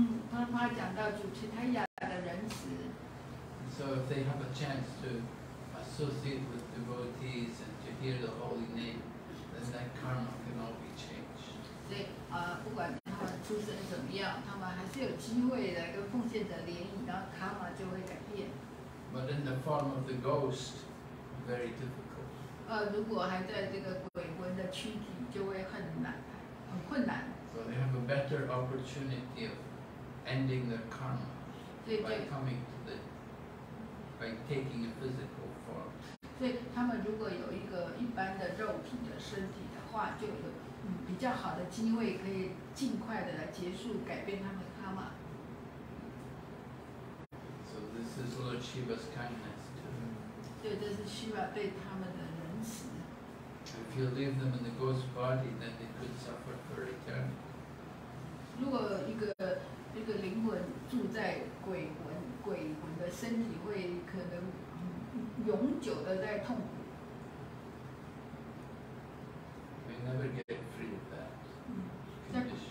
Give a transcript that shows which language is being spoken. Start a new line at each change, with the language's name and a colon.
Chinese: 他讲到主持他雅的仁慈。
English: So if they have a chance to associate with devotees and to hear the holy name, then that karma can all be changed.
Chinese: 所以不管出生怎么样，他们还是有机会来跟奉献者联谊，然后卡玛就会改变。
English: But in the form of the ghost, very difficult.
Chinese: 如果还在这个鬼魂的躯体，就会很难，很困难。
English: So they have a better opportunity of ending their karma by coming to the, by taking a physical form.
Chinese: 所以他们如果有一个一般的肉体的身体的话，就有比较好的机会可以尽快的来结束改变他们的karma。
English: So this is Lord Shiva's kindness to them.
Chinese: 所以这是 Shiva 对他们的仁慈。
English: If you leave them in the ghost body, then they could suffer for eternity.
Chinese: 如果一个灵魂住在鬼魂的身体，会可能永久的在痛苦。
English: We never get free of that.